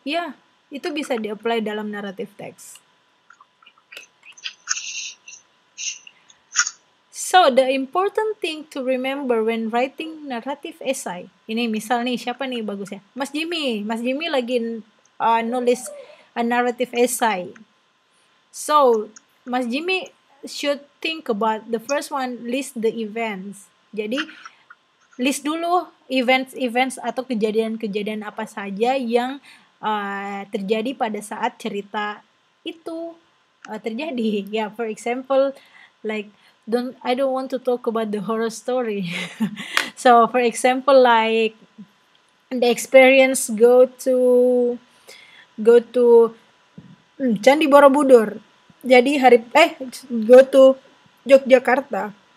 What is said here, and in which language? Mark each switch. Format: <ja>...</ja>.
<id>Yeah, itu bisa di-apply dalam narrative text.</id> <en>So, the important thing to remember when writing narrative essay.</en> <id>Ini misal nih, siapa nih bagusnya? Mas Jimmy. Mas Jimmy lagi nulis a narrative essay.</id> <en>So, Mas Jimmy should think about the first one, list the events.</en> <id>Jadi, list dulu events-events atau kejadian-kejadian apa saja yang terjadi pada saat cerita itu terjadi.</id> <en>Yeah, for example, like I don't want to talk about the horror story. So for example, like the experience go to Candi Borobudur. Jadi go to Yogyakarta.</en>